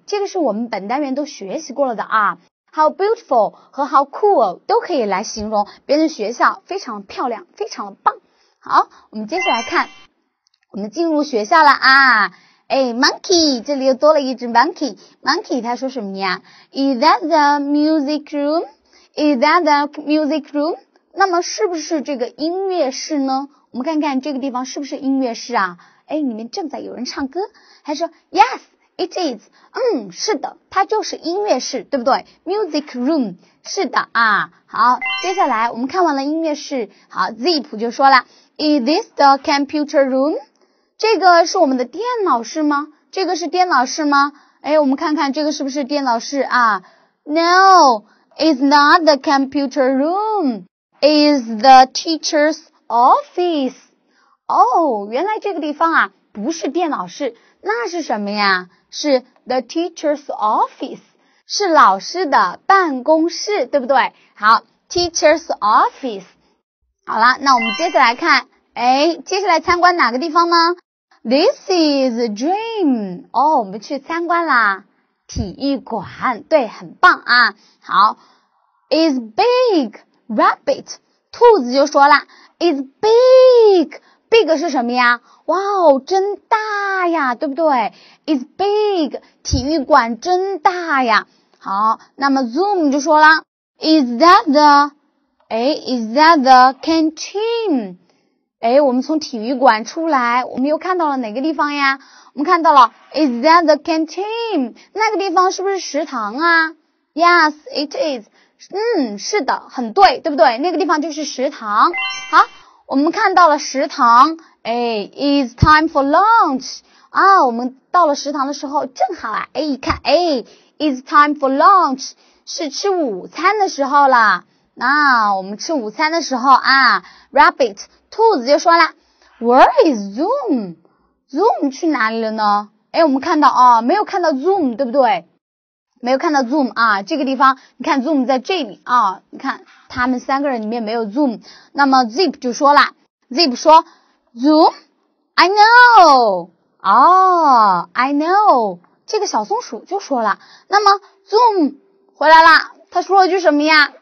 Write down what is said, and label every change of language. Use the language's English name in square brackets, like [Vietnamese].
[Chinese] 这个是我们本单元都学习过了的啊。 [English] How beautiful [Chinese] 和 [English] how cool [Chinese] 都可以来形容别人学校非常漂亮，非常棒。好，我们接下来看，我们进入学校了啊。哎 ，monkey， 这里又多了一只 monkey。 [English] monkey [Chinese] 他说什么呀 [English] ？Is that the music room？ Is that the music room？ [Chinese] 那么是不是这个音乐室呢？我们看看这个地方是不是音乐室啊？哎，里面正在有人唱歌。他说 ，Yes。 [English] It is， [Chinese] 嗯，是的，它就是音乐室，对不对 ？Music room， 是的啊。好，接下来我们看完了音乐室，好 ，Zip 就说了 ， [English] Is this the computer room？ [Chinese] 这个是我们的电脑室吗？这个是电脑室吗？ [English] 哎， [Chinese] 我们看看这个是不是电脑室啊 [English] ？No，it's not the computer room。Is the teacher's office. [Chinese] 哦，原来这个地方啊不是电脑室，那是什么呀？是 the teacher's office， 是老师的办公室，对不对？好， teacher's office。好了，那我们接下来看，哎，接下来参观哪个地方呢？ [English] This is a dream。 [Chinese] 哦，我们去参观啦，体育馆，对，很棒啊。好， [English] is big [Chinese] rabbit， 兔子就说了， is big， big 是什么呀？哇哦，真大呀，对不对？ [English] is big， [Chinese] 体育馆真大呀。好，那么 zoom 就说了， [English] is that the， 诶， is that the canteen？ [Chinese] 哎，我们从体育馆出来，我们又看到了哪个地方呀？我们看到了 [English] ，Is that the canteen？ [Chinese] 那个地方是不是食堂啊 ？ [English] Yes, it is。 [Chinese] 嗯，是的，很对，对不对？那个地方就是食堂。好，我们看到了食堂。哎 ， [English] Is time for lunch？ [Chinese] 啊，我们到了食堂的时候正好啊，哎，一看，哎 ， [English] Is time for lunch？ [Chinese] 是吃午餐的时候啦。那我们吃午餐的时候啊 ，Rabbit。兔子就说了 ， [English] Where is Zoom？ [Chinese] Zoom 去哪里了呢？哎，我们看到啊，没有看到 Zoom， 对不对？没有看到 Zoom 啊，这个地方，你看 Zoom 在这里啊，你看他们三个人里面没有 Zoom。那么 Zip 就说了 ，Zip 说 ，Zoom， [English] I know， [Chinese] 哦 ，I know， 这个小松鼠就说了，那么 Zoom 回来了，他说了句什么呀？